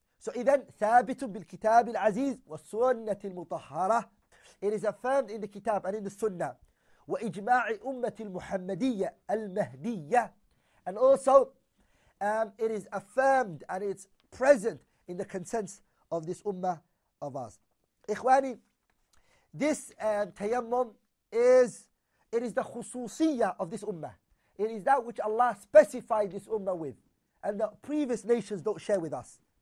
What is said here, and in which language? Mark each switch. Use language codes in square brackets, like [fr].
[ar] So إذن ثابت بالكتاب العزيز والسنة المطهرة. [en] It is affirmed in the kitab and in the sunnah. [ar] وإجماع أمة المحمدية المهدية. [en] And also it is affirmed and it's present in the consents of this ummah of us. إخواني, this tayammum is the khususiyah of this ummah. It is that which Allah specified this ummah with. And the previous nations don't share with us.